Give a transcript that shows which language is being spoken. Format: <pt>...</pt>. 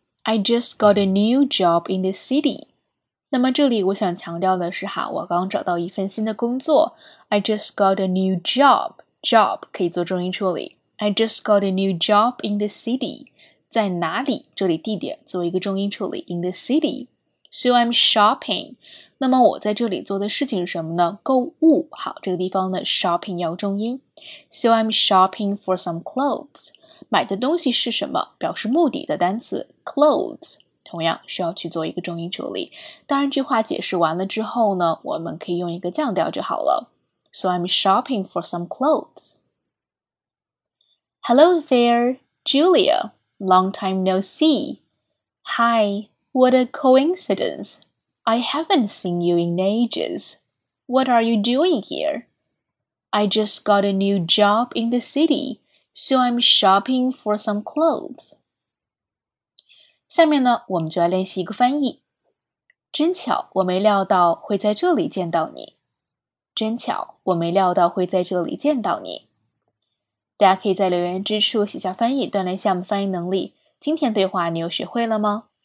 <en>I just got a new job in the city.</en> <zh>那么这里我想强调的是哈，我刚找到一份新的工作。</zh> <en>I just got a new job. Job</en> <zh>可以做重音处理。</zh> <en>I just got a new job in the city.</en> <zh>在哪里？这里地点做一个重音处理。</zh> <en>In the city. So I'm shopping.</en> <zh>那么我在这里做的事情是什么呢？购物。好，这个地方呢 shopping 要重音。</zh> <en>So I'm shopping for some clothes.</en> <zh>买的东西是什么？表示目的的单词 clothes 同样需要去做一个重音处理。当然，这句话解释完了之后呢，我们可以用一个降调就好了。</zh> <en>So I'm shopping for some clothes. Hello there, Julia. Long time no see. Hi, what a coincidence. I haven't seen you in ages. What are you doing here? I just got a new job in the city, so I'm shopping for some clothes.</en> <zh>下面呢，我们就来练习一个翻译。真巧，我没料到会在这里见到你。真巧，我没料到会在这里见到你。大家可以在留言之处写下翻译，锻炼一下我们翻译能力。今天对话你又学会了吗？</zh>